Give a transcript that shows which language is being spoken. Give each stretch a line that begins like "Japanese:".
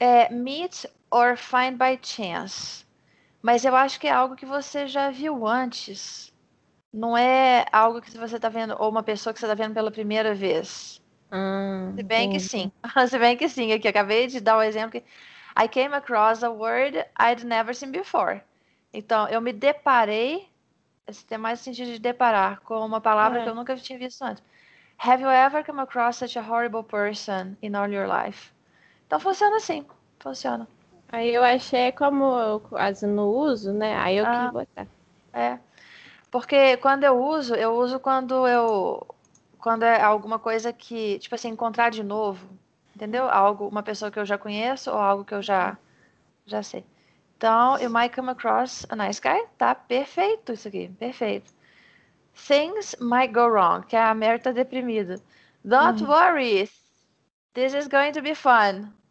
English: meet or find by chance,
Portuguese: mas eu acho que é algo que você já viu antes, não é algo que você está vendo, ou uma pessoa que você está vendo pela primeira vez, se bem que sim, Entendi. se bem que sim, aqui, acabei de dar um exemplo, que
English: I came across a word I'd never seen before,
Portuguese: então eu me deparei, esse tem mais sentido de deparar, com uma palavra que eu nunca tinha visto antes.
English: Have you ever come across such a horrible person in all your life?
Portuguese: Então funciona assim. Funciona. Aí eu achei como eu quase não uso, né? Aí eu quis Ah, botar. é. Porque quando eu uso quando é alguma coisa que, tipo assim, encontrar de novo, entendeu? Algo, uma pessoa que eu já conheço ou algo que eu já sei.
English: Então, you might come across a nice guy.
Portuguese: Tá perfeito isso aqui. Perfeito.
English: Things might go wrong,
Portuguese: que a Mary tá deprimida.
English: Don't worry, this is going to be fun.